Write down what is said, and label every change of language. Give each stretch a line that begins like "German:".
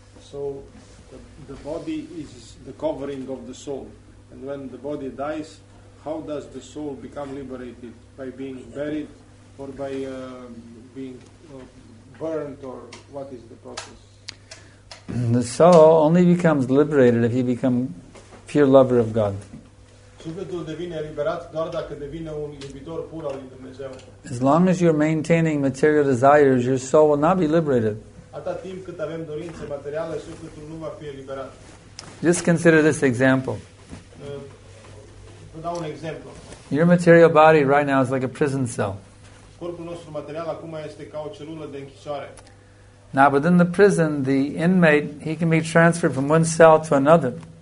English: So the body is the covering of the soul, and when the body dies, how does the soul become liberated? By being buried, or by being burnt, or what is the process? The soul only becomes liberated if you become pure lover of God.
Romanian: Sufletul devine eliberat doar dacă devine un iubitor pur al lui Dumnezeu.
English: As long as you're maintaining material desires, your soul will not be liberated.
Romanian: Atât timp cât avem dorințe materiale, sufletul nu va fi eliberat.
English: Just consider this example.
Romanian: Vă dau un exemplu.
English: Your material body right now is like a prison cell.
Romanian: Corpul nostru material acum este ca o celulă de închisoare.
English: Now within the prison, the inmate, he can be transferred from one cell to another.